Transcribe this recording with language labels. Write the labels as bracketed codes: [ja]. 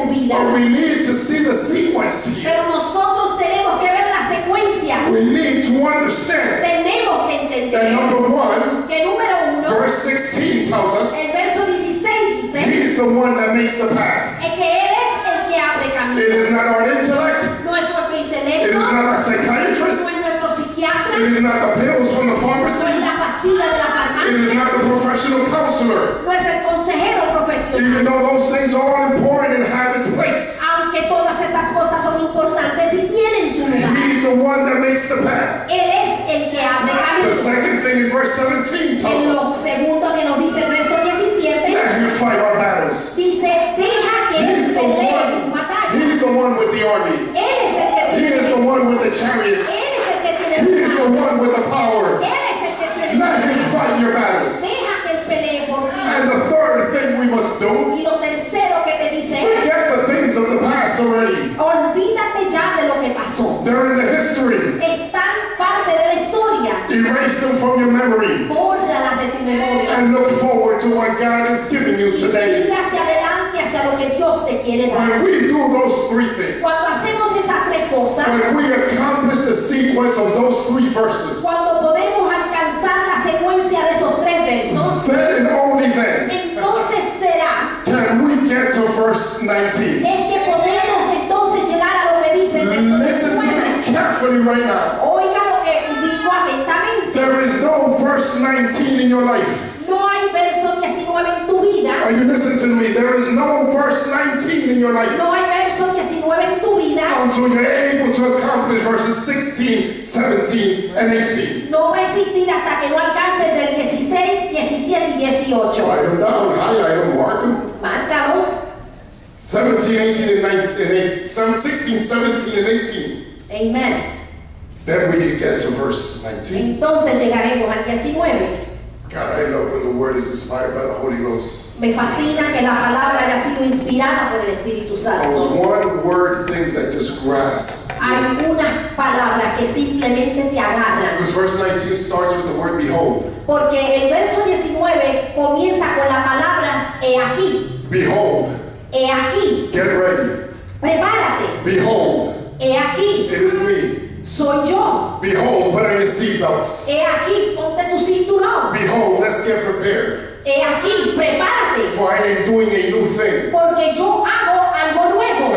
[en] But we need to see the sequence. [es] Pero nosotros tenemos que ver la secuencia. [en] We need to understand. [es] Tenemos que entender. [en] That number one. [es] Que número uno. [en] Verse 16 tells us. [es] El verso 16 dice. [en] He is the one that makes the path. [es] Es que él es el que abre camino. [en] It is not our intellect. [es] No es nuestro intelecto. [en] It is not our psychiatrist. [es] No es nuestro psiquiatra. [en] It is not the pills from the pharmacy. [es] No es la pastilla de la farmacia. [en] It is not the professional counselor. [es] No es el consejero profesional. [en] Even though those things are all important and have its place. [es] Aunque todas esas cosas son importantes y tienen su lugar. [en] He is the one that makes the path. [es] Él es el que abre camino. [en] The second thing in verse 17 tells [es] us. Segundo que nos dice el verso 17. [en] Let him fight our battles. [es] Dice, deja que él pelee tus batallas. [en] He is the one with the army. [es] Él es el que tiene. [en] He is the one with the chariots. [es] Él es el que tiene. [en] He is the one with the power. [es] Él es el que tiene. [en] Let him fight your battles. [es] Deja que él pelee por ti. [en] And the third thing we must do. [es] Y lo tercero que te dice. [en] Forget the things of the past already. [es] Olvídate ya de lo que pasó. [en] They're in the history. [es] Están parte de la historia. [en] Erase them from your memory. [es] Bórralas de tu memoria. [en] And look forward to what God has given you today. [es] Mira hacia adelante, hacia lo que Dios te quiere dar. [en] When we do those three things. [es] Cuando hacemos esas tres cosas. [en] When we accomplish the sequence of those three verses. [es] Cuando podemos alcanzar la secuencia de esos tres versos. [en] Then and only then. [es] Entonces será. [en] Can we get to verse 19? [es] Es que podemos entonces llegar a lo que dice el verso 19. [en] Listen to me carefully right now. [es] Oiga lo que digo atentamente. [en] There is no verse 19 in your life. [es] No hay verso 19 en tu vida. [en] Are you listening to me? There is no verse 19 in your life. [es] No hay verso 19 en tu vida. [en] Until you're able to accomplish verses 16, 17, and 18. [es] No va a existir hasta que no alcances del 16, 17 y 18. [en] Write them down. Highlight them. Mark them. [es] Márcalos. [en] 17, 18, and 19. And 8, 7, 16, 17, and 18. Amen. Then we can get to verse 19. [es] Entonces llegaremos al 19. [en] God, I love when the word is inspired by the Holy Ghost. [es] Me fascina que la palabra haya sido inspirada por el Espíritu Santo. [en] Those one word things that just grasp. [es] Hay unas palabras que simplemente te agarran. [en] Because verse 19 starts with the word behold. [es] Porque el verso 19 comienza con las palabras he aquí. [en] Behold. [es] He aquí. [en] Get ready. [es] Prepárate. [en] Behold. [es] He aquí. [en] It is me. [es] Soy yo. [en] Behold, put on your seatbelts. [es] He aquí, ponte tu cinturón. [en] Behold, let's get prepared. [es] He aquí, prepárate. [en] For I am doing a new thing. [es] Porque yo hago algo nuevo.